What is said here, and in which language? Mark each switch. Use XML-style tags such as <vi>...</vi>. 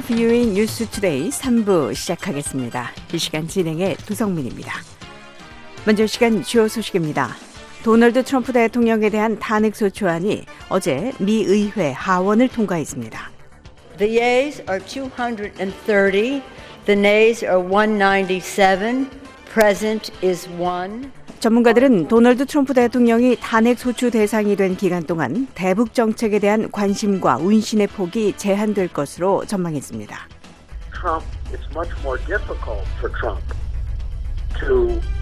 <ko>BOA 뉴스 투데이 3부 시작하겠습니다. 이 시간 진행의 두성민입니다. 먼저 시간 주요 소식입니다. 도널드 트럼프 대통령에 대한 탄핵 소추안이 어제 미 의회 하원을 통과했습니다.</ko> <en>The yeas are 230, the nays are 197, present is 1.</en> <ko>전문가들은 도널드 트럼프 대통령이 탄핵 소추 대상이 된 기간 동안 대북 정책에 대한 관심과 운신의 폭이 제한될 것으로 전망했습니다.</ko> <en>Trump, it's much more difficult for Trump to</en>